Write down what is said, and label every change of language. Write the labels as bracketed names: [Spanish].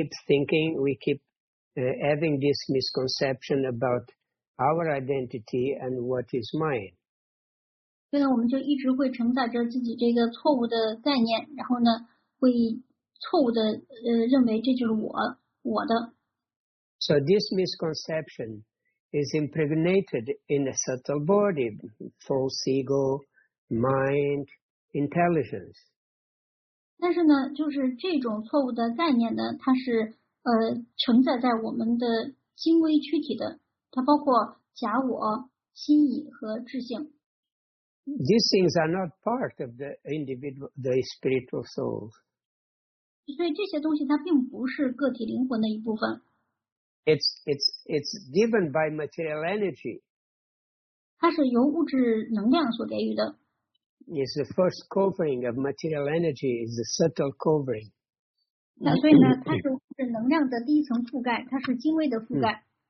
[English] We keep having this misconception about our identity and what is mine. [Chinese] 所以呢，我们就一直会承载着自己这个错误的概念，然后呢，会错误的认为这就是我的。 [English] So this misconception is impregnated in a subtle body, false ego, mind, intelligence. [Chinese] 但是呢，就是这种错误的概念呢，它是承载在我们的精微躯体的，它包括假我、心意和智性。 [English] These things are not part of the individual, the spiritual soul. [Chinese] 所以这些东西它并不是个体灵魂的一部分。 [English] It's given by material energy. [Chinese] 它是由物质能量所给予的。 [English] It's the first covering of material energy, is the subtle covering. [Chinese] 那所以呢，它是物质能量的第一层覆盖，它是精微的覆盖。